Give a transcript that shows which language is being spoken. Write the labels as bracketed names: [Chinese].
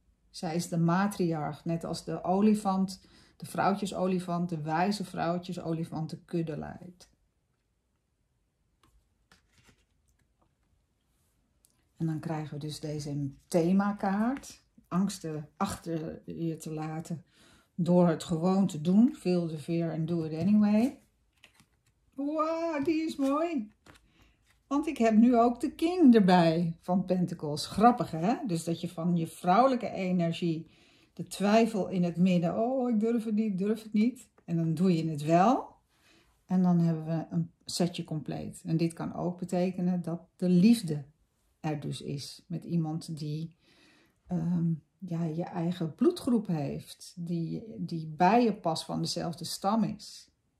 [Dutch] Zij is de matriarch, net als de olifant, de vrouwtjesolifant, de wijze vrouwtjesolifant, de kudde leidt. En dan krijgen we dus deze themakaart. Angsten achter je te laten door het gewoon te doen. [English] Feel the fear and do it anyway. [Dutch] Wow, die is mooi. Want ik heb nu ook de King erbij van Pentacles. Grappig, hè? Dus dat je van je vrouwelijke energie, de twijfel in het midden. Oh, ik durf het niet, durf het niet. En dan doe je het wel. En dan hebben we een setje compleet. En dit kan ook betekenen dat de liefde er dus is met iemand die je eigen bloedgroep heeft, die bij je pas van dezelfde stam is.